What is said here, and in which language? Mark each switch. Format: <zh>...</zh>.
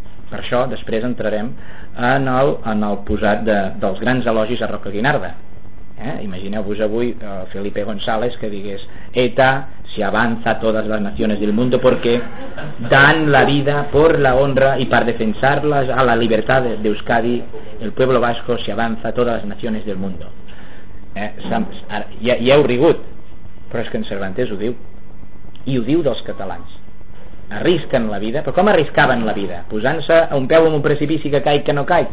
<ca>Per això després entrarem en el posat dels grans elogis a Roca Guinarda. Imagineu-vos avui</ca> <es>Felipe González</es> <ca>que digués:</ca> <es>ETA se avanza a todas las naciones del mundo porque dan la vida por la honra y para defensarlas a la libertad de Euskadi, el pueblo vasco se avanza a todas las naciones del mundo.</es> <ca>Ja heu rigut, però és que en Cervantes ho diu, i ho diu dels catalans. Arrisquen la vida, però com arriscaven la vida? Posant-se a un peu en un precipici que caic, que no caic?</ca>